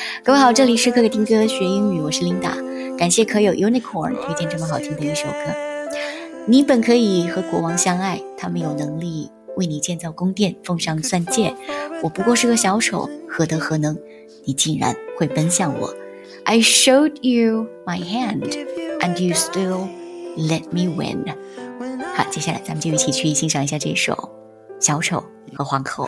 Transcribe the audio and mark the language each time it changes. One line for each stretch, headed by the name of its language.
Chinese: 各位好，这里是可可听歌学英语，我是 Linda。感谢可友 Unicorn 推荐这么好听的一首歌。你本可以和国王相爱，他们有能力为你建造宫殿，奉上钻戒。我不过是个小丑，何德何能？你竟然会奔向我。
English: I showed you my hand, and you still let me win.
Chinese: 好，接下来咱们就一起去欣赏一下这首《小丑和皇后》。